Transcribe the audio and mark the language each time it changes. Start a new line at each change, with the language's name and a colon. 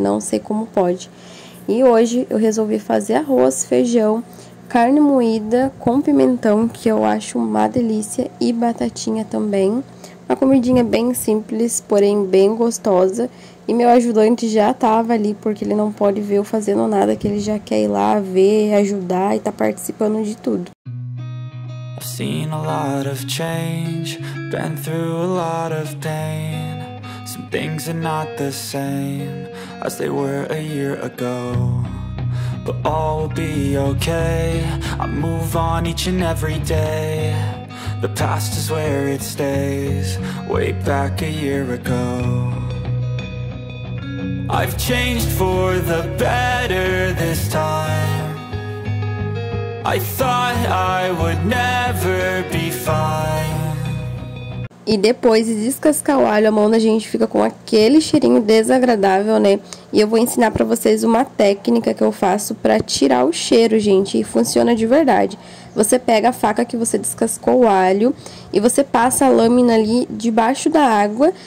Portuguese: Não sei como pode. E hoje eu resolvi fazer arroz, feijão, carne moída com pimentão, que eu acho uma delícia, e batatinha também. Uma comidinha bem simples, porém bem gostosa. E meu ajudante já tava ali, porque ele não pode ver eu fazendo nada, que ele já quer ir lá ver, ajudar e tá participando de tudo.
English: Seen a lot of change, been through a lot of pain. Some things are not the same as they were a year ago, but all will be okay. I move on each and every day. The past is where it stays, way back a year ago. I've changed for the better this time. I thought I would never be fine.
Portuguese: E depois de descascar o alho, a mão da gente fica com aquele cheirinho desagradável, né? E eu vou ensinar pra vocês uma técnica que eu faço pra tirar o cheiro, gente. E funciona de verdade. Você pega a faca que você descascou o alho e você passa a lâmina ali debaixo da água.